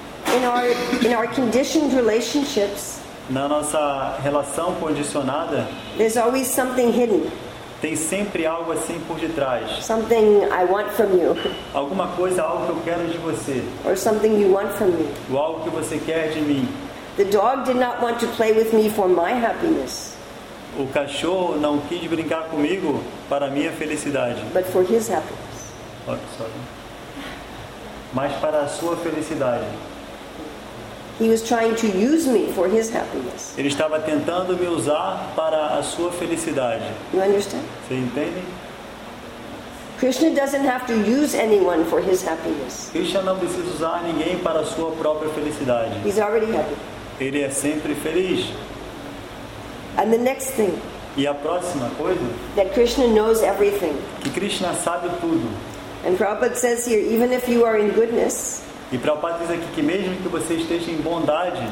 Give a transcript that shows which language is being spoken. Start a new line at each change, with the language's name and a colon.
English: In our conditioned relationships,
Portuguese: na nossa relação condicionada,
English: there's always something hidden.
Portuguese: Tem sempre algo assim por detrás.
English: Something I want from you.
Portuguese: Alguma coisa, algo que eu quero de você.
English: Or something you want from me.
Portuguese: Ou algo que você quer de mim.
English: The dog did not want to play with me for my happiness.
Portuguese: O cachorro não quis brincar comigo para minha felicidade.
English: But for his happiness. Oh, sorry.
Portuguese: Mas para a sua felicidade.
English: He was trying to use me for his happiness.
Portuguese: Ele estava tentando me usar para a sua felicidade.
English: You understand?
Portuguese: Você entende?
English: Krishna doesn't have to use anyone for his happiness.
Portuguese: Krishna não precisa usar ninguém para a sua própria felicidade.
English: He's already happy.
Portuguese: Ele é sempre feliz.
English: And the next thing.
Portuguese: E a próxima coisa?
English: That Krishna knows everything.
Portuguese: Que Krishna sabe tudo.
English: And Prabhupada says here, even if you are in goodness,
Portuguese: e Prabhupada diz aqui que mesmo que você esteja em bondade,